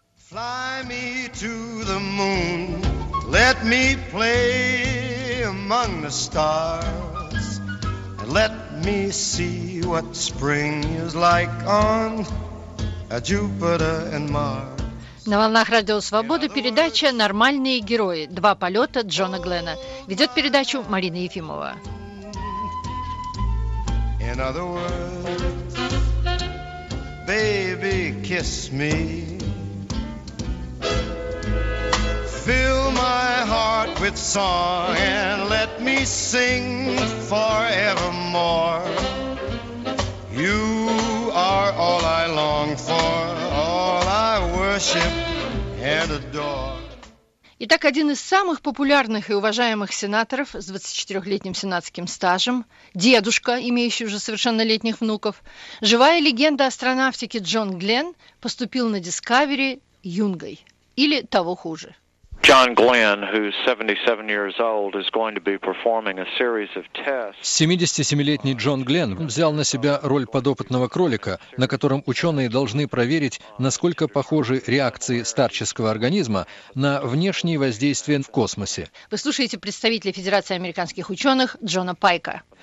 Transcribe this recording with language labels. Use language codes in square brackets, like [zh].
[en] Fly me to the moon, let me play among the stars, and let me see what spring is like on Jupiter and Mars. [ru] На волнах Радио Свободы передача «Нормальные герои. 2 полета Джона Гленна». Ведет передачу Марина Ефимова. [en] In other words, baby, kiss me. Fill my heart with song and let me sing forevermore. You are all I long for, all I worship and adore. [ru] Итак, один из самых популярных и уважаемых сенаторов с 24-летним сенатским стажем, дедушка, имеющий уже совершеннолетних внуков, живая легенда астронавтики Джон Гленн поступил на Discovery юнгой, или того хуже. [en] John Glenn, who's 77 years old, is going to be performing a series of tests. [ru] 77-летний Джон Гленн взял на себя роль подопытного кролика, на котором ученые должны проверить, насколько похожи реакции старческого организма на внешние воздействия в космосе. Вы слушаете представителя Федерации американских ученых Джона Пайка.